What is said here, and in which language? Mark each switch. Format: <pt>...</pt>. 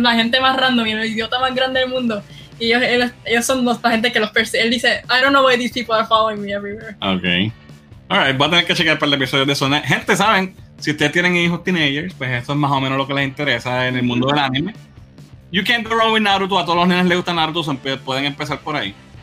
<es>Es la gente más random y el idiota más grande del mundo. Y ellos son la gente que los persigue. Él dice,</es> <en>I don't know why these people are following me everywhere. Ok.</en> <es>Alright, voy a tener que chequear para el episodio de Sonic. Gente, ¿saben? Si ustedes tienen hijos teenagers, pues eso es más o menos lo que les interesa en el mundo del anime.</es> <en>You can't go wrong with Naruto.</en> <es>A todos los niños les gusta Naruto, so pueden empezar por ahí.</es>